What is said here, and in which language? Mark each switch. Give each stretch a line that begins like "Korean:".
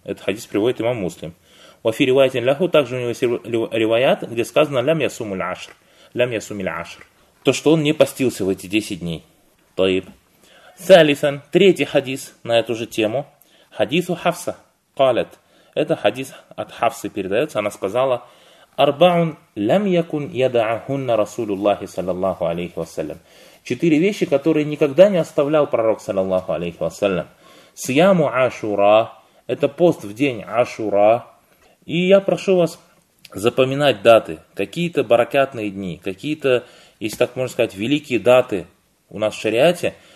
Russian: Этот хадис приводит имам Муслим. В афи ривайтин ляху, также у него есть ривайат, где сказано «Лям ясуму л'ашр». «Лям ясуми л'ашр». То, что он не постился в эти 10 дней. Таиб. Салисан. Третий хадис на эту же тему. Хадису Хафса. Калят. Это хадис от Хафсы передается. Она сказала
Arabic: أربع لم يكن يدعهن رسول الله صلى الله عليه وسلم.
Russian: Четыре вещи, которые никогда не оставлял пророк, саллаллаху алейхи вассалям. Сияму Ашура, это пост в день Ашура. И я прошу вас запоминать даты, какие-то баракатные дни, какие-то, если так можно сказать, великие даты у нас в шариате.